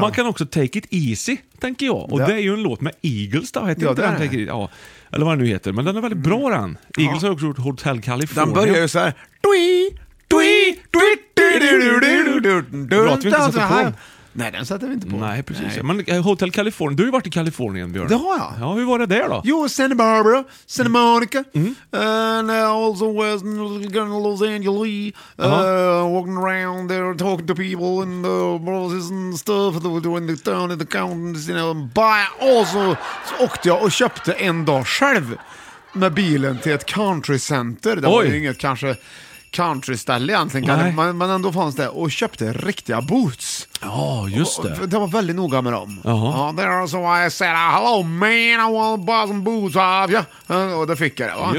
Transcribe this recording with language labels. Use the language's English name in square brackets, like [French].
[Swedish] Man kan också [English] take it easy, [Swedish] tänker jag. Och det är ju en låt med Eagles, då. Heter ja, inte det den? Ja. Eller vad den nu heter. Men den är väldigt bra, den. Eagles har också gjort Hotel California. Den börjar ju så här. Tui, tui, tui, tui, tui, tui, tui, tui. Nej, den sätter vi inte på. Nej, precis. Nej. Men Hotel California, du har ju varit i Kalifornien, Björn. Det har jag. Ja, hur var det där då? [English] Jo, Santa Barbara, Santa Monica, and also was going to Los Angeles, walking around there, talking to people in the bosses and stuff, and doing the town and the counties, you know, and buy. [Swedish] Och så åkte jag och köpte en dag själv med bilen till ett country center. Det var ju inget kanske country-ställe egentligen, men ändå fanns det. Och köpte riktiga boots. Ja, just det. Det var väldigt noga med dem. Uh-huh. Ja, så [English] I said, hello man, I want to buy some boots. [Swedish] Och det fick jag det.